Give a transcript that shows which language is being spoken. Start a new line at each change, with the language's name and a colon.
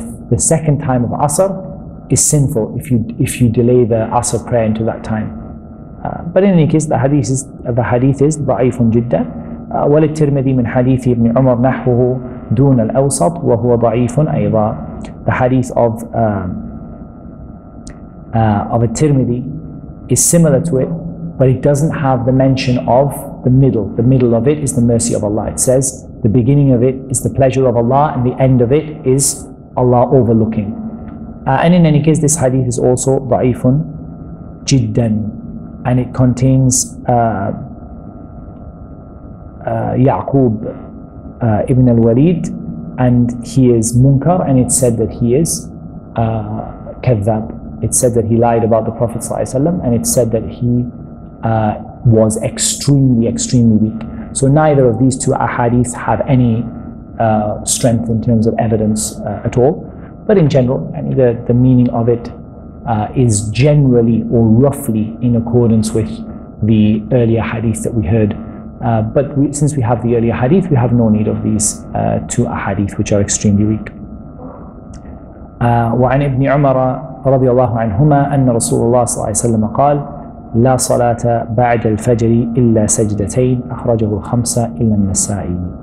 English: The second time of Asr is sinful if you delay the Asr prayer into that time. But in any case, the hadith is
Arabic: ضعيفٌ جداً. وللترمذي من حديث ابن عمر نحوه دون الأوسط وهو ضعيفٌ أيضاً.
English: The hadith of al-Tirmidhi is similar to it, but it doesn't have the mention of the middle of it is the mercy of Allah. It says the beginning of it is the pleasure of Allah, and the end of it is Allah overlooking. And in any case, this hadith is also
Arabic: ضعيف جدا.
English: and it contains Ya'qub ibn al-Walid, and he is Munkar, and it said that he is Kadhab. It said that he lied about the Prophet ﷺ, and it said that he was extremely, extremely weak. So neither of these two ahadith have any strength in terms of evidence at all. But in general, I mean, the meaning of it is generally or roughly in accordance with the earlier hadith that we heard. But since we have the earlier hadith, we have no need of these two ahadith, which are extremely weak.
Arabic: وعن ابن عمر رضي الله عنهما أن رسول الله صلى الله عليه وسلم قال لا صلاة بعد الفجر إلا سجدتين أخرجه الخمسة إلا النسائي.